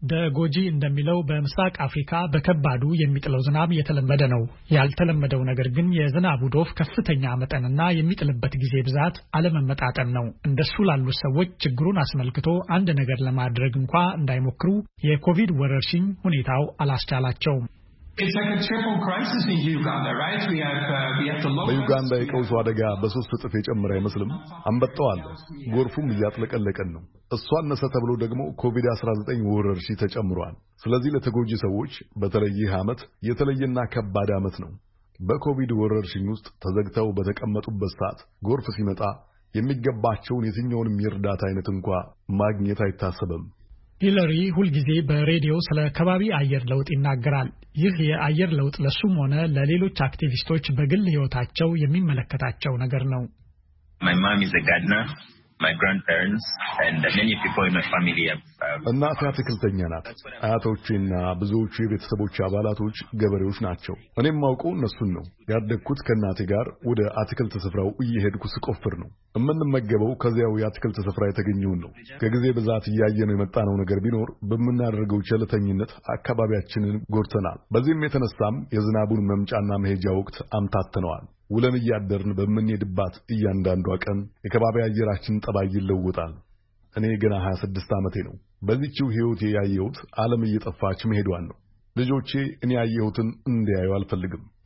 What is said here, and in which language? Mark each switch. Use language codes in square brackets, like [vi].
[am] ደጎጂ እንደሚለው በምስራቅ አፍሪካ በከባዱ የሚጥለው ዝናብ የተለመደ ነው። ያልተለመደው ነገር ግን የዝናቡ ዶፍ ከፍተኛ መጠንና የሚጥልበት ጊዜ ብዛት አለመመጣጠን ነው። እንደሱ ላሉ ሰዎች ችግሩን አስመልክቶ አንድ ነገር ለማድረግ እንኳ እንዳይሞክሩ የኮቪድ ወረርሽኝ ሁኔታው አላስቻላቸውም። [en] It's like a triple crisis in Uganda, right? We have the [am] low Uganda የቀውሱ አደጋ በሶስት እጥፍ የጨመረ አይመስልም? አንበጣው አለ። ጎርፉም እያጥለቀለቀን ነው። እሷን ነሰተብሎ ደግሞ ኮቪድ-19 ወረርሽኝ ተጨምሯል። ስለዚህ ለተጎጂ ሰዎች በተለይ ሀመት የተለየና ከባድ አመት ነው። በኮቪድ ወረርሽኝ ውስጥ ተዘግተው በተቀመጡበት ሰዓት ጎርፍ ሲመጣ የሚገባቸውን የትኛውንም እርዳታ አይነት እንኳን ማግኘት አይታሰብም። ሂለሪ ሁልጊዜ በሬዲዮ ስለ ከባቢ አየር ለውጥ ይናገራል። ይህ የአየር ለውጥ ለሱም ሆነ ለሌሎች አክቲቪስቶች በግል ህይወታቸው የሚመለከታቸው ነገር ነው። [en] My mom is a gardener. My grandparents and many people in my family have [am] እናቴ አትክልተኛ ናት። አያቶቼና ብዙዎቹ የቤተሰቦቼ አባላቶች ገበሬዎች ናቸው። እኔም አውቀው እነሱን ነው። ያደግኩት ከእናቴ ጋር ወደ አትክልት ስፍራው እየሄድኩ ስቆፍር ነው። እምንመገበው ከዚያው የአትክልት ስፍራ የተገኘውን ነው። ከጊዜ ብዛት እያየነው የመጣነው ነገር ቢኖር በምናደርገው ቸልተኝነት አካባቢያችንን ጎድተናል። በዚህም የተነሳም የዝናቡን መምጫና መሄጃ ወቅት አምታተነዋል። ውለን እያደርን በምንሄድባት እያንዳንዷ ቀን የከባቢ አየራችን ጠባይ ይለወጣል። እኔ ገና 26 ዓመቴ ነው። በዚችው ህይወቴ ያየሁት ዓለም እየጠፋች መሄዷን ነው። ልጆቼ እኔ ያየሁትን እንዲያዩ አልፈልግም።